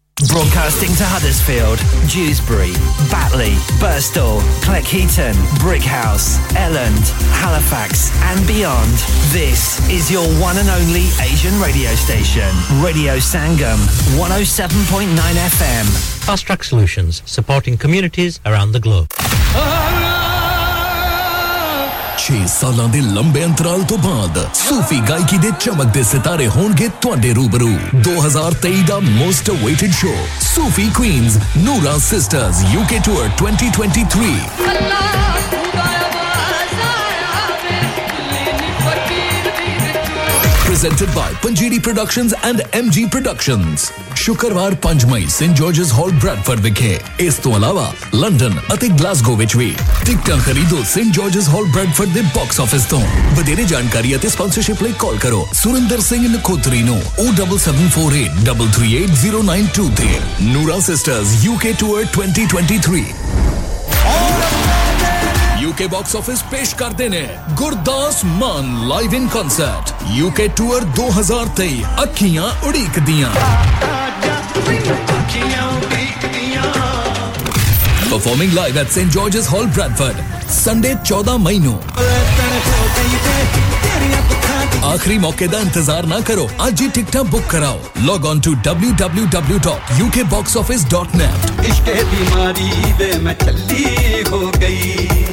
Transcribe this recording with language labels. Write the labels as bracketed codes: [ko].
[en] Broadcasting to Huddersfield, Dewsbury, Batley, Birstall, Cleckheaton, Brickhouse, Elland, Halifax and beyond. This is your one and only Asian radio station. Radio Sangam, 107.9 FM. Fast Track Solutions, supporting communities around the globe. [pa] ਛੇ ਸਾਲਾਂ ਦੇ ਲੰਬੇ ਅੰਤਰਾਲ ਤੋਂ ਬਾਅਦ ਸੂਫੀ ਗਾਇਕੀ ਦੇ ਚਮਕਦੇ ਸਿਤਾਰੇ ਹੋਣਗੇ ਤੁਹਾਡੇ ਰੂਬਰੂ 2023 ਦਾ [en] most awaited show [pa] Sufi Queen's Noora sisters UK tour 2023 ਪ੍ਰੈਜੈਂਟਡ by panjiri productions and MG productions ਸ਼ੁੱਕਰਵਾਰ 5 ਮਈ ਸੇਂਟ ਜਾਰਜਸ ਹਾਲ ਬ੍ਰੈਡਫੋਰਡ ਵਿਖੇ ਇਸ ਤੋਂ ਇਲਾਵਾ ਲੰਡਨ ਅਤੇ ਗਲਾਸਗੋ ਵਿੱਚ ਵੀ ਟਿਕਟਾਂ ਖਰੀਦੋ ਸੇਂਟ ਜਾਰਜਸ ਹਾਲ ਬ੍ਰੈਡਫੋਰਡ ਦੇ ਬਾਕਸ ਆਫਿਸ ਤੋਂ ਵਧੇਰੇ ਜਾਣਕਾਰੀ ਅਤੇ ਸਪਾਂਸਰਸ਼ਿਪ ਲਈ ਕਾਲ ਕਰੋ ਸੁਰਿੰਦਰ ਸਿੰਘ ਨਖੋਤਰੀ ਨੂੰ 07748338092 ਤੇ ਨੂਰਾ sisters UK tour 2023 UK box office ਪੇਸ਼ ਕਰਦੇ ਨੇ ਗੁਰਦਾਸ ਮਾਨ ਲਾਈਵ ਇਨ ਕਨਸਰਟ ਯੂਕੇ ਟੂਰ 2023 ਅੱਖੀਆਂ ਉਡੀਕਦੀਆਂ [en] Performing live at St. George's Hall, Bradford, Sunday, 14 May. [pa] Aakhri mauke da intezar na karo. Aaj hi tikta book karao. [en] Log on to www.ukboxoffice.net. [pa] Ishq hai bimari de main challi ho gayi.